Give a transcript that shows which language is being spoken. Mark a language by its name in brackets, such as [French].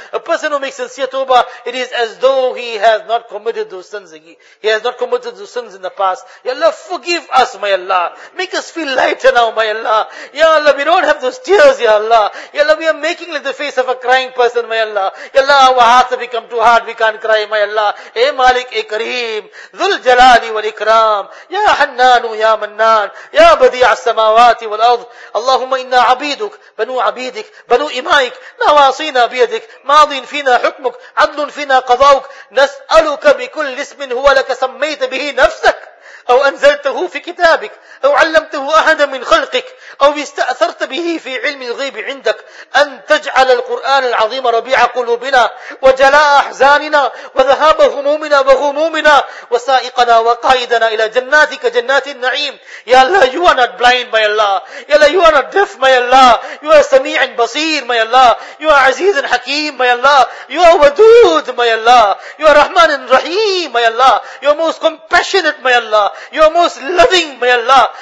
[English] A person who makes sincere tawbah, it is as though he has not committed those sins. He has not committed those sins in the past. Ya Allah, forgive us, my Allah. Make us feel lighter now, my Allah. Ya Allah, we don't have those tears, ya Allah. Ya Allah, we are making like the face of a crying person, my Allah. Ya Allah, our hearts have become too hard, we can't cry, my Allah. [Arabic] Eh Malik, eh Kareem, Dhul Jalali wal Ikram, Ya Hannanu, Ya Mannan, Ya Badi'a Samawati wal Ard, Allahumma inna abiduk, banu abidik, banu imaik, nawasina biyadik, ماضٍ فينا حكمك عدل فينا قضاؤك نسألك بكل اسم هو لك سميت به نفسك أو أنزلته في كتابك أو علمته أحدا من خلقك أو استأثرت به في علم الغيب عندك أن تجعل القرآن العظيم ربيع قلوبنا وجلاء أحزاننا وذهاب همومنا وغمومنا وسائقنا وقائدنا إلى جناتك جنات النعيم. يا الله, [English] you are not blind, my Allah. يا الله, you are not deaf, my Allah. You are [Arabic] سميع بصير, [English] my Allah. You are [Arabic] عزيز حكيم, [English] my Allah. You are ودود, my Allah. You are [Arabic] رحمن رحيم, [English] my Allah. You are most compassionate, my Allah. You are most loving, my Allah.